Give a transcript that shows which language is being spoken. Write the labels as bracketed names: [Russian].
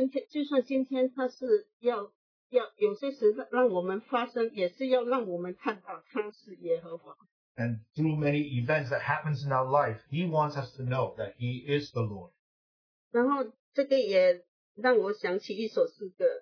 [Chinese] 就算今天他是要有些时让我们发生,也是要让我们看到他是耶和华。 [English] And through many events that happens in our life, He wants us to know that He is the Lord. [Chinese] 然后这个也让我想起一首诗歌,